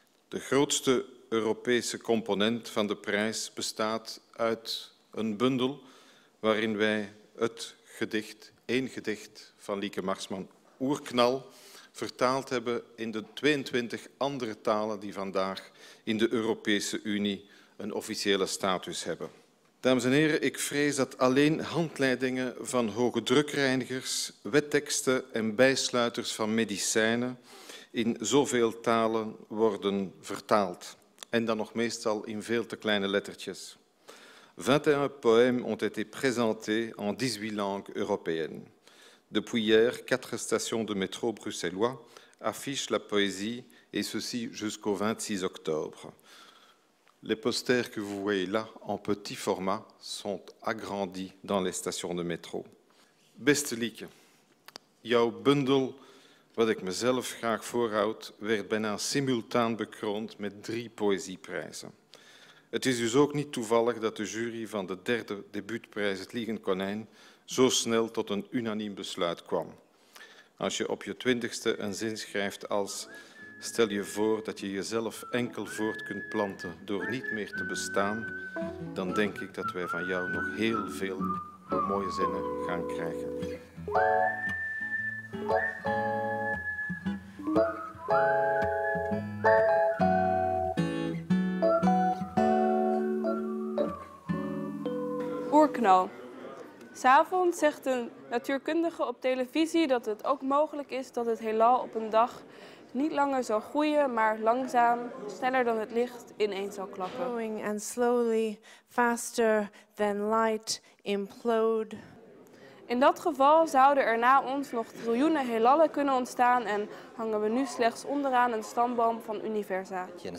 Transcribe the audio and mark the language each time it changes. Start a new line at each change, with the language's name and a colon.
Dutch: De grootste Europese component van de prijs bestaat uit een bundel waarin wij het gedicht, één gedicht van Lieke Marsman, Oerknal, vertaald hebben in de 22 andere talen die vandaag in de Europese Unie een officiële status hebben. Dames en heren, ik vrees dat alleen handleidingen van hoge drukreinigers, wetteksten en bijsluiters van medicijnen in zoveel talen worden vertaald. En dan nog meestal in veel te kleine lettertjes.
French: 21 poèmes ont été présentés en 18 langues européennes. Depuis hier, 4 stations de métro bruxellois affichent la poésie, et ceci jusqu'au 26 octobre. Les posters que vous voyez là, en petit format, sont agrandis dans les stations de métro.
Dutch: Beste Lieke, jouw bundel, wat ik mezelf graag voorhoud, werd bijna simultaan bekroond met 3 poëzieprijzen. Het is dus ook niet toevallig dat de jury van de 3e debuutprijs Het Liegend Konijn zo snel tot een unaniem besluit kwam. Als je op je 20e een zin schrijft als: stel je voor dat je jezelf enkel voort kunt planten door niet meer te bestaan, dan denk ik dat wij van jou nog heel veel mooie zinnen gaan krijgen. Oerknal. 'S Avonds zegt een natuurkundige op televisie dat het ook mogelijk is dat het heelal op een dag niet langer zal groeien, maar langzaam, sneller dan het licht, ineens zal klappen.
English: Growing and slowly, faster than light, implode.
Dutch: In dat geval zouden er na ons nog triljoenen heelallen kunnen ontstaan en hangen we nu slechts onderaan een stamboom van universa.